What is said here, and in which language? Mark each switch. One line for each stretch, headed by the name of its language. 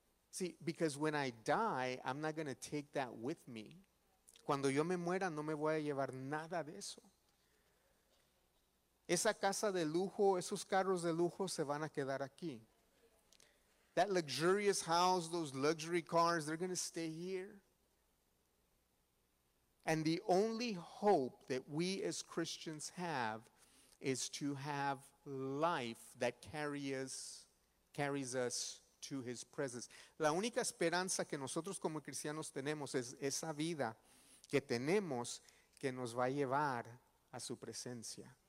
English: See, because when I die, I'm not going to take that with me.
Spanish: Cuando yo me muera, no me voy a llevar nada de eso. Esa casa de lujo, esos carros de lujo se van a quedar aquí.
English: That luxurious house, those luxury cars, they're going to stay here. And the only hope that we as Christians have is to have life that carries us to his presence.
Spanish: La única esperanza que nosotros como cristianos tenemos es esa vida que tenemos que nos va a llevar a su presencia.